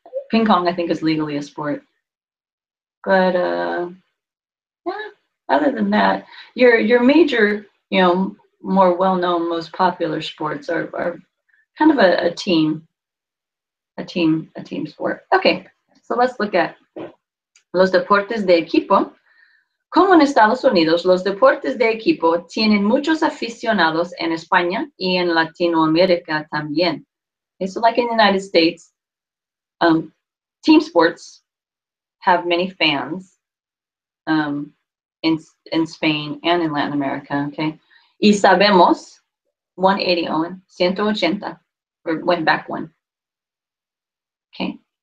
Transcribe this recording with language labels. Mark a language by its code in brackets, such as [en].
[en] Ping pong, I think, is legally a sport. But yeah, other than that, your major, you know, more well-known, most popular sports are kind of a team sport. Okay, so let's look at [es] los deportes de equipo. Como en Estados Unidos, los deportes de equipo tienen muchos aficionados en España y en Latinoamérica también. [en] Okay, so like in the United States, team sports have many fans in Spain and in Latin America, okay? Y sabemos, 180, Owen, 180, or went back one. Okay.